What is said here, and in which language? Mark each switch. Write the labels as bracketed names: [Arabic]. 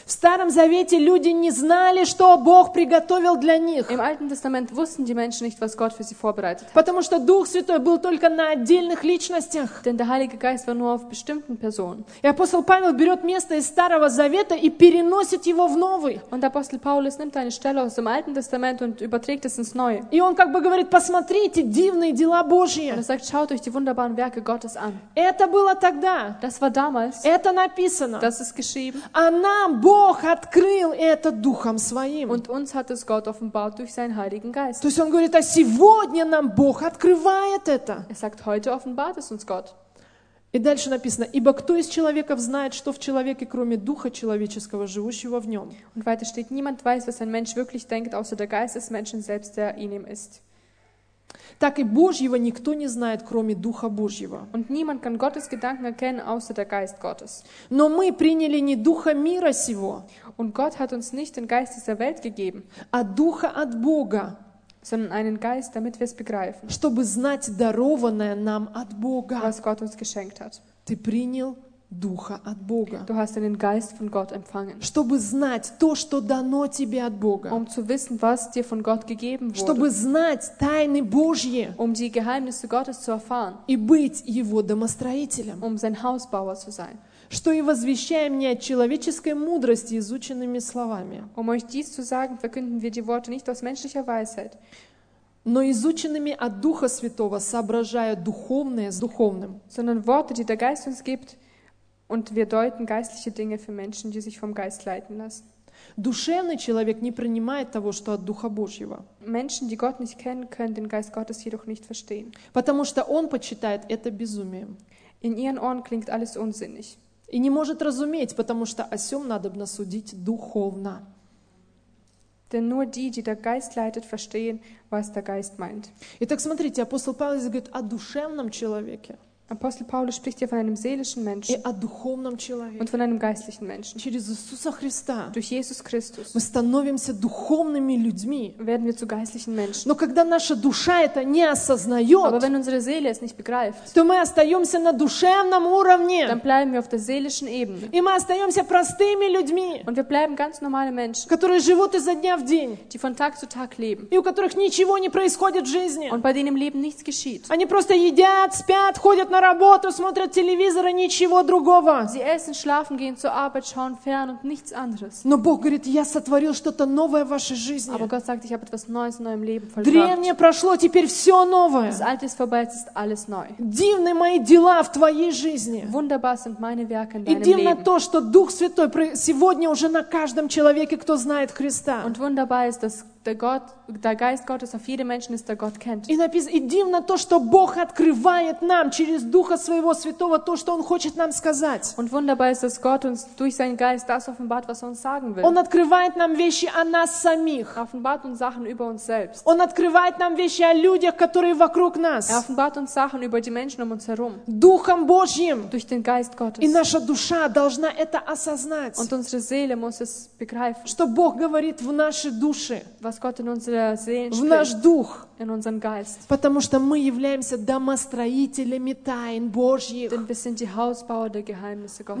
[Russian] В Старом Завете люди не знали, что Бог приготовил для них. [German] Im Alten Testament wussten die Menschen nicht, was Gott für sie vorbereitet hat. [Russian] Потому что Дух Святой был только на отдельных личностях. [German] Denn der Heilige Geist war nur auf bestimmten Personen. [Russian] И апостол Павел берет место из Старого Завета и переносит его в Новый. [German] Und Apostel Paulus nimmt eine Stelle aus dem Alten Testament und überträgt es ins Neue. [Russian] И он как бы говорит: «Посмотрите дивные дела Божьи». [German] Und er sagt: «Schaut euch die wunderbaren Werke Gottes an». [Russian] Это было тогда. [German] Das war damals. [Russian] Это написано. [German] Das ist geschrieben. [Russian] А нам Бог открыл это Духом Своим. [German] Und uns hat es Gott offenbart durch seinen Heiligen Geist. [Russian] То есть он говорит, а сегодня нам Бог открывает это. [German] Er sagt, heute offenbart es uns Gott. [Russian] И дальше написано, ибо кто из человеков знает, что в человеке, кроме Духа человеческого, живущего в нем? [German] Und weiter steht, niemand weiß, was ein Mensch wirklich denkt, außer der Geist des Menschen selbst, der in ihm ist. [Russian] Так и Божьего никто не знает, кроме Духа Божьего. [German] Und niemand kann Gottes Gedanken erkennen, außer der Geist Gottes. [Russian] Но мы приняли не Духа мира сего, [German] und Gott hat uns nicht den Geist dieser Welt gegeben, [Russian] а Духа от Бога, [German] sondern einen Geist, damit wir es begreifen, [Russian] чтобы знать дарованное нам от Бога, [German] was Gott uns geschenkt hat. [Russian] Ты принял Духа от Бога. [German] Du hast einen Geist von Gott empfangen. [Russian] Чтобы знать то, что дано тебе от Бога. [German] Um zu wissen, was dir von Gott gegeben wurde. [Russian] Чтобы знать тайны Божьи. [German] Um die Geheimnisse Gottes zu erfahren. [Russian] И быть его домостроителем. [German] Um sein Hausbauer zu sein. [Russian] Что и возвещаем не от человеческой мудрости изученными словами. [German] Um euch dies zu sagen, verkünden wir die Worte nicht aus menschlicher Weisheit. [Russian] Но изученными от Духа Святого, соображая духовное с духовным. [German] Sondern Worte, die der Geist uns gibt. Und wir deuten geistliche Dinge für Menschen, die sich vom Geist leiten lassen. [Russian] Душевный человек не принимает того, что от Духа Божьего. [German] Menschen, die Gott nicht kennen, können den Geist Gottes jedoch nicht verstehen. [Russian] Потому что он почитает это безумием. [German] In ihren Ohren klingt alles unsinnig. [Russian] И не может разуметь, потому что о сём надобно судить духовно. [German] Denn nur die, die der Geist leitet, verstehen, was der Geist meint. [Russian] Итак, смотрите, апостол Павел говорит о душевном человеке. [German] Апостол Павел spricht hier von einem seelischen Menschen [Russian] и о духовном человеке [German] und von einem geistlichen Menschen. [Russian] Через Иисуса Христа [German] durch Jesus Christus [Russian] мы становимся духовными людьми, [German] werden wir zu geistlichen Menschen. [Russian] Но когда наша душа это не осознает, [German] aber wenn unsere Seele es nicht begreift, [Russian] то мы остаемся на душевном уровне, [German] dann bleiben wir auf der seelischen Ebene. [Russian] И мы остаемся простыми людьми, [German] und wir bleiben ganz normale Menschen, [Russian] которые живут изо дня в день, [German] die von Tag zu Tag leben, [Russian] и у которых ничего не происходит в жизни, [German] und bei denen im Leben nichts geschieht. [Russian] Они просто едят, спят, ходят на работу, смотрят телевизор и ничего другого. [German] Sie essen, schlafen, gehen zur Arbeit, schauen fern und nichts anderes. [Russian] Но Бог говорит, я сотворил что-то новое в вашей жизни. [German] Aber Gott sagt, ich habe etwas Neues in eurem Leben vollbracht. [Russian] Древнее прошло, теперь все новое. [German] Das Alte ist vorbei, jetzt ist alles neu. [Russian] Дивны мои дела в твоей жизни. [German] Wunderbar sind meine Werke in deinem Leben. [Russian] И дивно [German] Leben. [Russian] То, что Дух Святой сегодня уже на каждом человеке, кто знает Христа. [German] Und wunderbar ist, dass der Geist Gottes auf jedem Menschen ist, der Gott kennt. [Russian] И написано, и дивно то, что Бог открывает нам через Духа Своего Святого то, что Он хочет нам сказать. [German] Und wunderbar ist, dass Gott uns durch seinen Geist das offenbart, was Er uns sagen will. [Russian] Он открывает нам вещи о нас самих. [German] Er offenbart uns Sachen über uns selbst. [Russian] Он открывает нам вещи о людях, которые вокруг нас. [German] Er offenbart uns Sachen über die Menschen um uns herum. [Russian] Духом Божьим. [German] Durch den Geist Gottes. [Russian] И наша душа должна это осознать. [German] Und unsere Seele muss es begreifen. [Russian] Что Бог говорит в наши души. [German] Was Gott in unsere Seele spricht. [Russian] В наш дух. [German] In unseren Geist. [Russian] Потому что мы являемся домостроителями тайн Божьих. [German] Denn wir sind die Hausbauer der Geheimnisse Gottes.